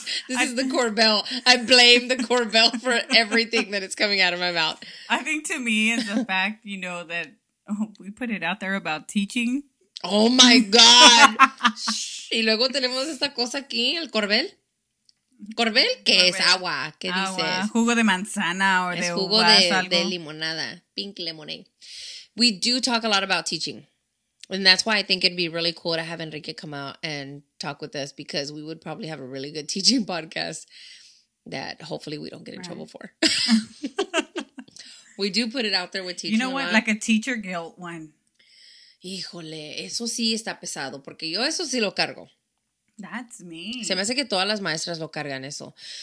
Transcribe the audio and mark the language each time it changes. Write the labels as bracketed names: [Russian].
[English] is the Corbell. I blame the Corbell for everything that is coming out of my mouth. I think to me is the fact, you know, that we put it out there about teaching. Oh my God. [Spanish] Y luego tenemos esta cosa aquí, el Corbell. Corbel, ¿qué Corbel. Es agua? ¿Qué agua. Dices? Jugo de manzana o de uva. Jugo de limonada. [English] Pink lemonade. We do talk a lot about teaching. And that's why I think it'd be really cool to have Enrique come out and talk with us because we would probably have a really good teaching podcast that hopefully we don't get in right. trouble for. We do put it out there with teaching. You know what? Like a teacher guilt one. [Spanish] Híjole, eso sí está pesado porque yo eso sí lo cargo. [English] That's me. [Spanish] Se me hace que todas las maestras lo cargan eso.